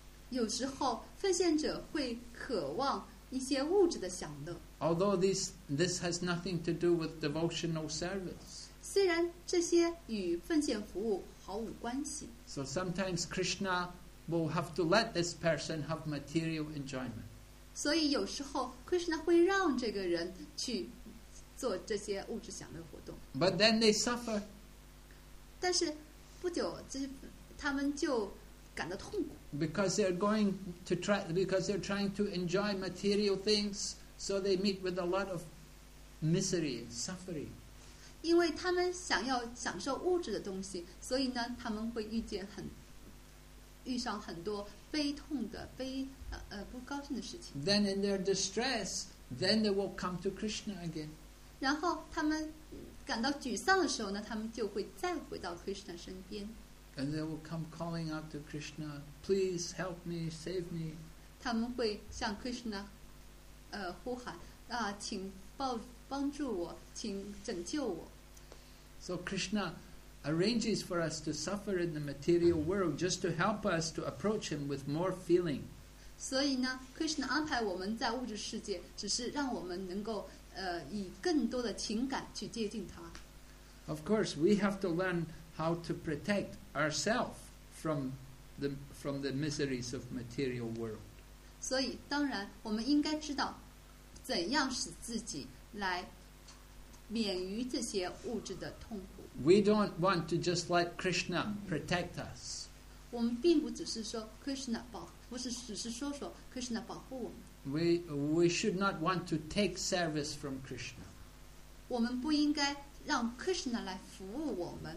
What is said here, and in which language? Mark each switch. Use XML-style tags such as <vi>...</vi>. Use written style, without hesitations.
<zh>有时候奉献者会渴望一些物质的享乐。</zh> <en>Although this has nothing to do with devotional service.</en> <zh>虽然这些与奉献服务毫无关系。</zh> <en>So sometimes Krishna will have to let this person have material enjoyment.</en> <zh>所以有时候 Krishna 会让这个人去做这些物质享乐活动。</zh> <en>But then they suffer.</en> <zh>但是不久他们就感到痛苦。</zh> <en>Because they're trying to enjoy material things, so they meet with a lot of misery and suffering.</en> <zh>因为他们想要享受物质的东西，所以呢，他们会遇上很多悲痛的、不高兴的事情。</zh> <en>Then in their distress, then they will come to Krishna again.</en> <zh>然后他们感到沮丧的时候呢，他们就会再回到 Krishna 身边。</zh> <en>And they will come calling out to Krishna, please help me, save me.</en> <zh>他们会向 Krishna, 呼喊啊，请帮助我，请拯救我。</zh> <en>So Krishna arranges for us to suffer in the material world just to help us to approach him with more feeling.</en> <zh>所以呢 ，Krishna 安排我们在物质世界，只是让我们能够以更多的情感去接近他。</zh> <en>Of course, we have to learn how to protect ourselves from the miseries of material world.</en> <zh>所以当然我们应该知道怎样使自己来免于这些物质的痛苦。</zh> <en>We don't want to just let Krishna protect us.</en> <zh>我们并不只是说 Krishna 保，不是只是说 Krishna 保护我们。</zh> <en>We should not want to take service from Krishna.</en> <zh>我们不应该让 Krishna 来服务我们。</zh>